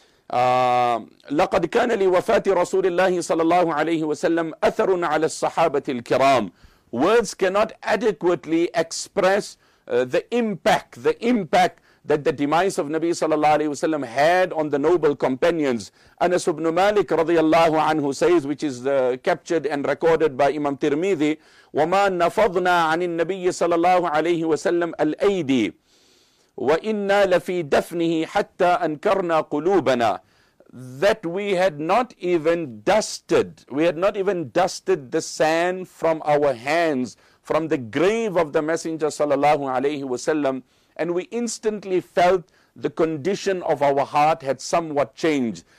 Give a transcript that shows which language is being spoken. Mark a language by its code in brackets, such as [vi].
[ar] لَقَدْ كَانَ لِوَفَاتِ رَسُولِ اللَّهِ صَلَى اللَّهُ عَلَيْهِ وَسَلَّمْ أَثَرٌ عَلَى الصَّحَابَةِ الْكِرَامِ. [en] Words cannot adequately express the impact that the demise of Nabi sallallahu alayhi wasallam had on the noble companions. Anas ibn Malik radiallahu anhu says, which is captured and recorded by Imam Tirmidhi, [ar] وَمَا نَفَضْنَا عَنِ النَّبِيِّ صَلَى اللَّهُ عَلَيْهِ وَسَلَّمْ الْأَيْدِي وَإِنَّا لَفِي دَفْنِهِ حَتَّى أَنْكَرْنَا قُلُوبَنَا. [en] That we had not even dusted the sand from our hands, from the grave of the Messenger sallallahu alayhi wasallam, and we instantly felt the condition of our heart had somewhat changed.